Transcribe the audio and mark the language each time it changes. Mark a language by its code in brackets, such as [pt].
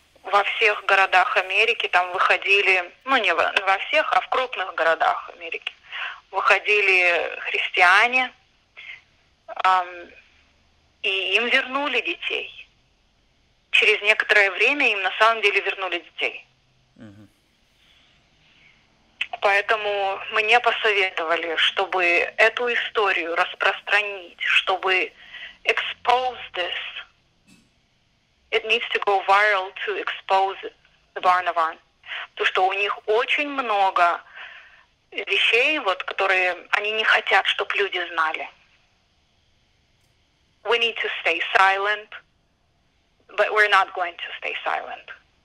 [ru] Во всех городах Америки там выходили, ну не во всех, а в крупных городах Америки, выходили христиане, и им вернули детей. Через некоторое время им на самом деле вернули детей. Угу. Поэтому мне посоветовали, чтобы эту историю распространить, чтобы [en] expose this. It needs to go viral to expose the Barnavan. [ru] То, что у них очень много вещей, вот, которые они не хотят, чтобы люди знали. [en] We need to stay silent, but we're not going to stay silent.